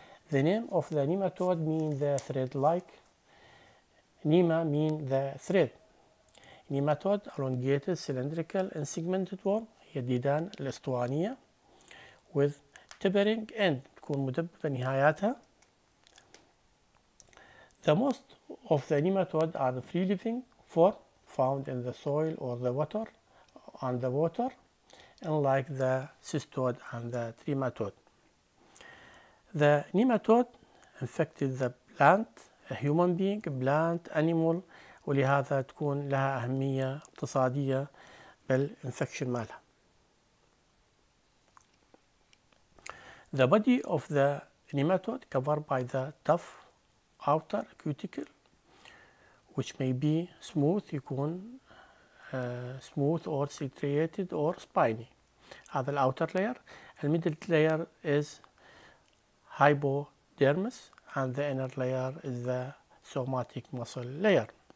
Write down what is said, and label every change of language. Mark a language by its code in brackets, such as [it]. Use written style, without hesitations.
[en] The name of the nematode mean the thread like nema mean the thread. Nematode elongated cylindrical and segmented worm [ar] هي الديدان الأسطوانية [en] with tapering end [ar] تكون مدببة نهاياتها. [en] The most of the nematodes are the free living form found in the soil or the water on the water unlike the cystoid and the trematode. The nematode infected the plant human being, plant, animal، [ar] ولهذا تكون لها أهمية اقتصادية بل infection مالها. [en] The body of the nematode covered by the tough outer cuticle which may be smooth، [ar] يكون [en] smooth or striated or spiny. [ar] هذا ال [en] outer layer. The middle layer is hypodermis and the inner layer is the somatic muscle layer.